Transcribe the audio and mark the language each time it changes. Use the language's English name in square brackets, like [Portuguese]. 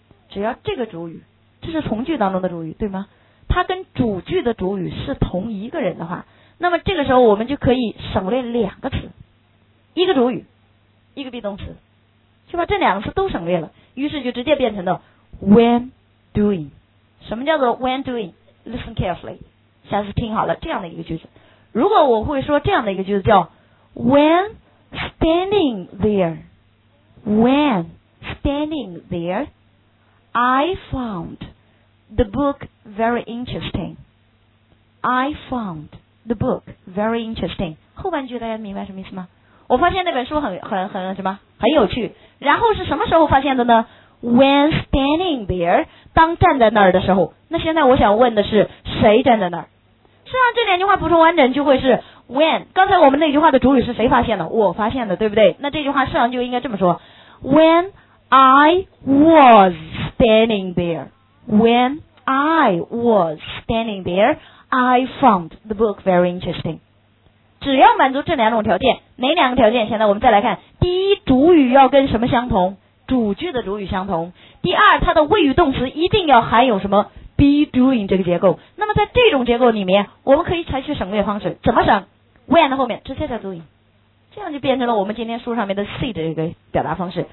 [Chinese] 只要这个主语，这是从句当中的主语对吗，它跟主句的主语是同一个人的话，那么这个时候我们就可以省略两个词，一个主语一个 be 动词，就把这两个词都省略了，于是就直接变成了 [English] when doing。 [Chinese] 什么叫做 [English] when doing？ listen carefully， [Chinese] 下次听好了，这样的一个句子，如果我会说这样的一个句子叫 [English] when standing there， when standing there I found the book very interesting， I foundthe book very interesting， [Chinese] 后半句大家明白什么意思吗？我发现那本书很什么，很有趣。然后是什么时候发现的呢？ [English] when standing there， [Chinese] 当站在那儿的时候。那现在我想问的是谁站在那儿？实际上这两句话补充完整就会是 when 刚才我们那句话的主语是谁发现的？我发现的，对不对？那这句话实际上就应该这么说 [English] When I was standing there When I was standing there I found the book very interesting [Chinese] 只要满足这两种条件哪两个条件？现在我们再来看第一主语要跟什么相同？主句的主语相同第二它的谓语动词一定要含有什么 [English] be doing [Chinese] 这个结构那么在这种结构里面我们可以采取省略方式怎么省 when 的后面直接在 doing 这样就变成了我们今天书上面的 see 的一个表达方式